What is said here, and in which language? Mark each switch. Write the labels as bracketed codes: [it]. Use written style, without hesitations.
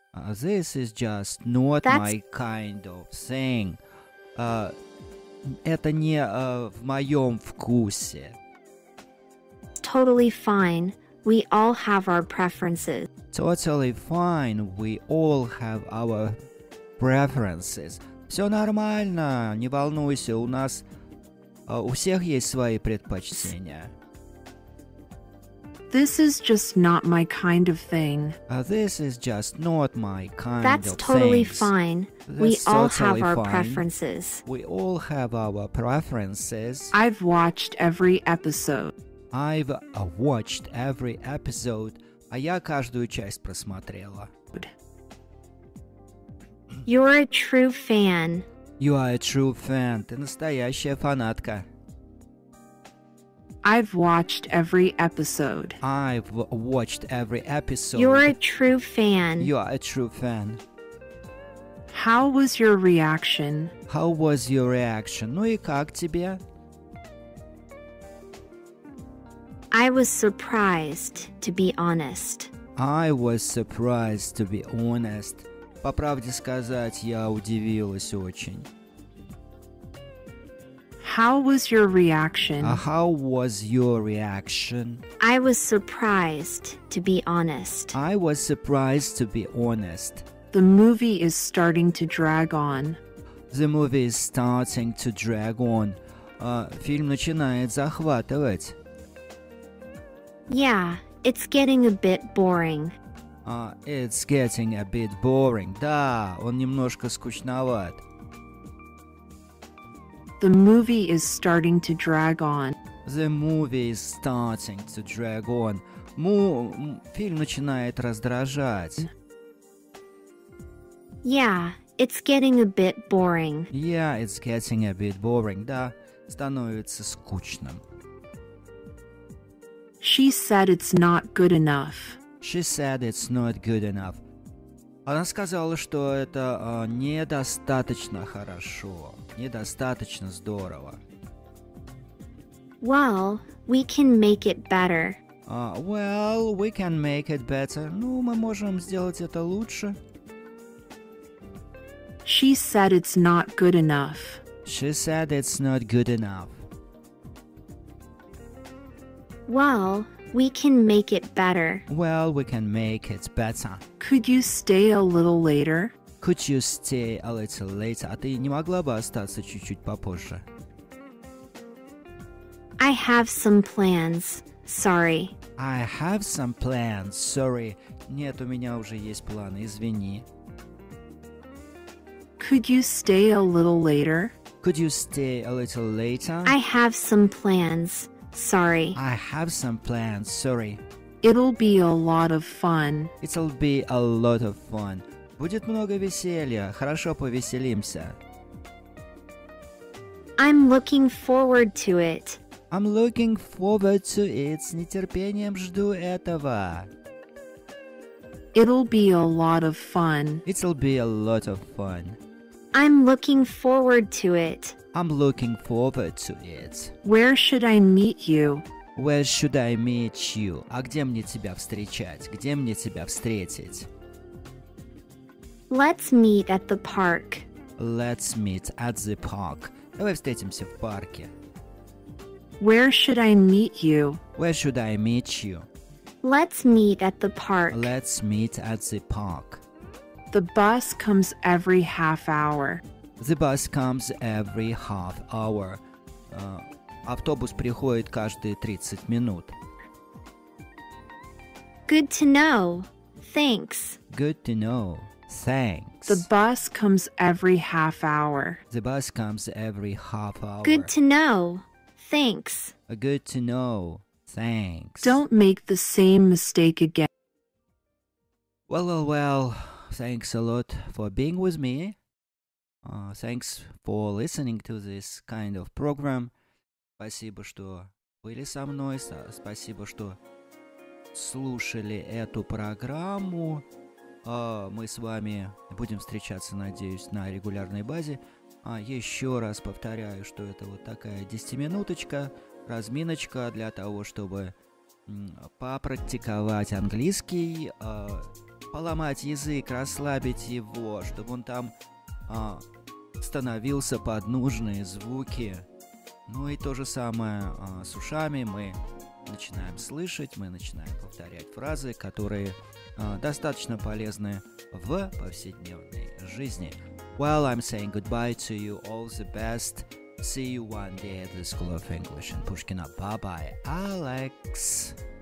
[en] This is just not That's... my kind of thing. [ru] Это не в моем вкусе. [en] Totally fine. We all have our preferences. Totally fine. We all have our preferences. [ru] Все нормально, не волнуйся, у нас у всех есть свои предпочтения. [en] This is just not my kind of thing. This is just not my kind That's of totally things. Fine. That's We totally all have fine. Our preferences. We all have our preferences. I've watched every episode. I've watched every episode. [ru] А я каждую часть просмотрела. [en] You're a true fan. You are a true fan. [ru] Ты настоящая фанатка. [en] I've watched every episode. I've watched every episode. You're a true fan. You are a true fan. How was your reaction? How was your reaction? [ru] Ну и как тебе? [en] I was surprised, to be honest. I was surprised, to be honest. [ru] По правде сказать, я удивилась очень. [en] How was your reaction? How was your reaction? I was surprised, to be honest. I was surprised, to be honest. The movie is starting to drag on. The movie is starting to drag on. [ru] Фильм начинает захватывать. [en] Yeah, it's getting a bit boring. It's getting a bit boring. [ru] Да, он немножко скучноват. [en] The movie is starting to drag on. The movie is starting to drag on. [ru] Фильм начинает раздражать. [en] Yeah, it's getting a bit boring. Yeah, it's getting a bit boring. [ru] Да, становится скучным. [en] She said it's not good enough. She said it's not good enough. [ru] Она сказала, что это недостаточно хорошо, недостаточно здорово. [en] Well, we can make it better. Well, we can make it better. [ru] Ну, мы можем сделать это лучше. [en] She said it's not good enough. She said it's not good enough. Well, we can make it better. Well, we can make it better. Could you stay a little later? Could you stay a little later? [ru] А ты не могла бы остаться чуть-чуть попозже? [en] I have some plans. Sorry. I have some plans. Sorry. [ru] Нет, у меня уже есть планы. Извини. [en] Could you stay a little later? Could you stay a little later? I have some plans. Sorry. I have some plans. Sorry. It'll be a lot of fun. It'll be a lot of fun. [ru] Будет много веселья. Хорошо повеселимся. [en] I'm looking forward to it. I'm looking forward to it. [ru] С нетерпением жду этого. [en] It'll be a lot of fun. It'll be a lot of fun. I'm looking forward to it. I'm looking forward to it. Where should I meet you? Where should I meet you? [ru] А где мне тебя встречать? Где мне тебя встретить? [en] Let's meet at the park. Let's meet at the park. [ru] Давай встретимся в парке. [en] Where should I meet you? Where should I meet you? Let's meet at the park. Let's meet at the park. The bus comes every half hour. The bus comes every half hour. [ru] Автобус приходит каждые 30 минут. [en] Good to know. Thanks. Good to know. Thanks. The bus comes every half hour. The bus comes every half hour. Good to know. Thanks. Good to know. Thanks. Don't make the same mistake again. Well, well, well. Thanks a lot for being with me. Thanks for listening to this kind of program. [ru] Спасибо, что были со мной. Спасибо, что слушали эту программу. Мы с вами будем встречаться, надеюсь, на регулярной базе. Еще раз повторяю, что это вот такая 10-минуточка, разминочка для того, чтобы попрактиковать английский, поломать язык, расслабить его, чтобы он там становился под нужные звуки. Ну и то же самое с ушами. Мы начинаем слышать, мы начинаем повторять фразы, которые достаточно полезны в повседневной жизни. [en] Well, I'm saying goodbye to you. All the best. See you one day at the School of English in Pushkino. Bye-bye, Alex.